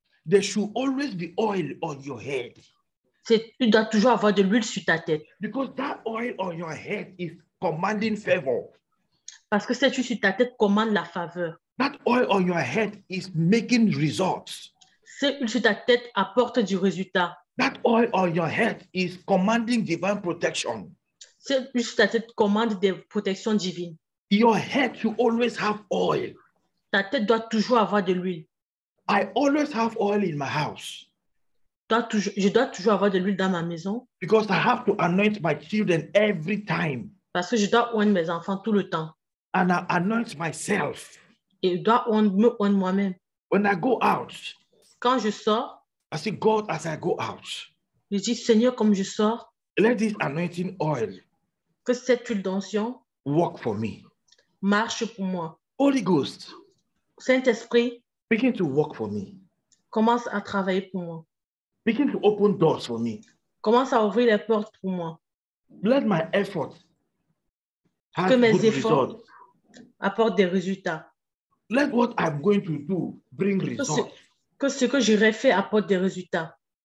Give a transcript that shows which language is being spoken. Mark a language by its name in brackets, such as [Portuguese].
[English] There should always be oil on your head. [French] Tu dois toujours avoir de l'huile sur ta tête. [English] Because that oil on your head is commanding favor. [French] Parce que cette huile sur ta tête commande la faveur. [English] That oil on your head is making results. [French] Cette huile sur ta tête apporte du résultat. [English] That oil on your head is commanding divine protection. [French] Cette huile sur ta tête commande des protections divines. [English] Your head should always have oil. [French] Ta tête doit toujours avoir de l'huile. [English] I always have oil in my house. [French] Je dois toujours avoir de l'huile dans ma maison. [English] Because I have to anoint my children every time. [French] Parce que je dois oindre mes enfants tout le temps. [English] And I anoint myself. [French] Et je dois me oindre moi-même. [English] When I go out. [French] Quand je sors. [English] I see God as I go out. [French] Je dis Seigneur comme je sors. [English] Let this anointing oil. [French] Que cette huile d'onction. [English] Work for me. [French] Marche pour moi. [English] Holy Ghost. [French] Saint-Esprit. [English] Begin to work for me. [French] Commence à travailler pour moi. [English] Begin to open doors for me. [French] Commence à ouvrir les portes pour moi. [English] Let my effort have good results. [French] Que mes efforts apportent des résultats. [English] Let what I'm going to do bring results. [French] Que ce que j'irai faire apporte des résultats.